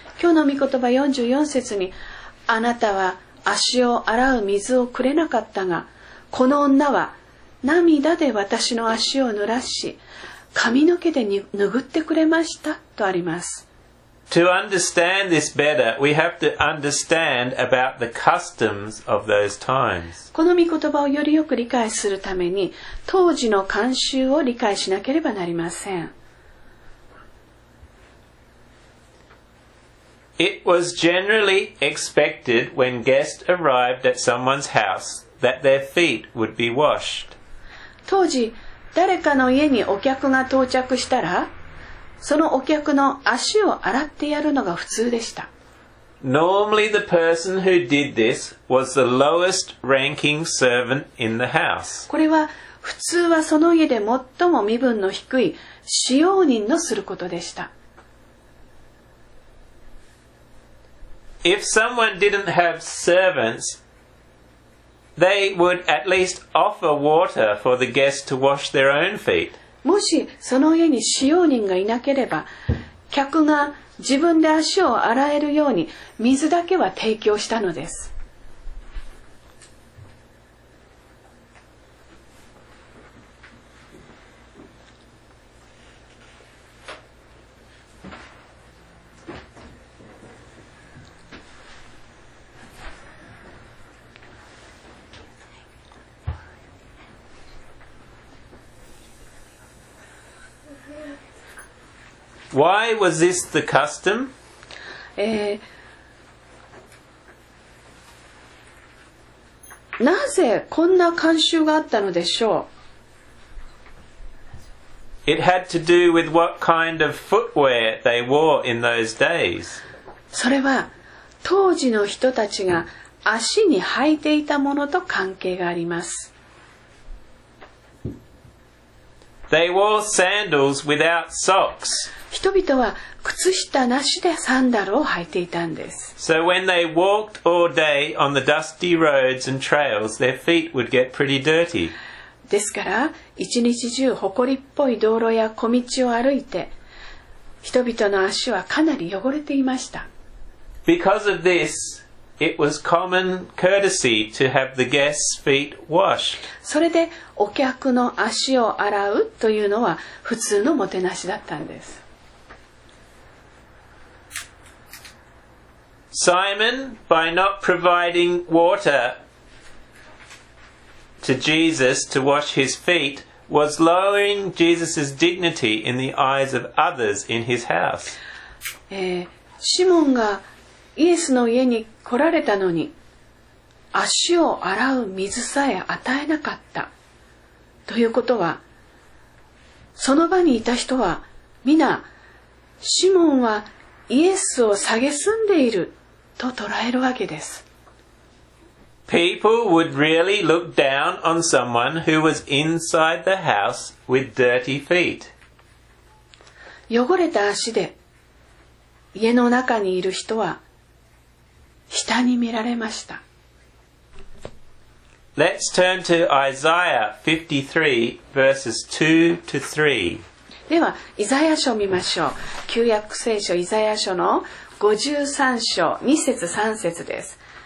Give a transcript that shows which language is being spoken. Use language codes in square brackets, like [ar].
[ja] 今日の御言葉44節に、あなたは足を洗う水をくれなかったが、この女は涙で私の足を濡らし、髪の毛で拭ってくれましたとあります。 [en] To understand this better, we have to understand about the customs of those times. [ja] この御言葉をよりよく理解するために、当時の慣習を理解しなければなりません。 [en] It was generally expected when guests arrived at someone's house that their feet would be washed. [ja] 当時、誰かの家にお客が到着したら、そのお客の足を洗ってやるのが普通でした。 [en] Normally the person who did this was the lowest ranking servant in the house. [ja] これは普通はその家で最も身分の低い使用人のすることでした。 [en] If someone didn't have servants, they would at least offer water for the guest to wash their own feet. [ja] もしその家に使用人がいなければ、客が自分で足を洗えるように水だけは提供したのです。 [en] Why was this the custom? [ja] なぜこんな慣習があったのでしょう? [en] It had to do with what kind of footwear they wore in those days. [ja] それは当時の人たちが足に履いていたものと関係があります。 [en] They wore sandals without socks. [ja] 人々は靴下なしでサンダルを履いていたんです。 [en] So when they walked all day on the dusty roads and trails, their feet would get pretty dirty. [ja] ですから、一日中ほこりっぽい道路や小道を歩いて、人々の足はかなり汚れていました。 [en] Because of this, it was common courtesy to have the guest's feet washed. [ja] それでお客の足を洗うというのは普通のもてなしだったんです。 [en] Simon, by not providing water to Jesus to wash his feet, was lowering Jesus' dignity in the eyes of others in his house. [ja] シモンがイエスの家に来られたのに、足を洗う水さえ与えなかった。ということは、その場にいた人は、皆、シモンはイエスを蔑んでいる。と捉えるわけです。 [en] People would really look down on someone who was inside the house with dirty feet. [ja] 汚れた足で家の中にいる人は下に見られました。 [en] Let's turn to Isaiah 53 verses 2 to 3. [ja] では、イザヤ書を見ましょう。旧約聖書イザヤ書の53章2節3節です。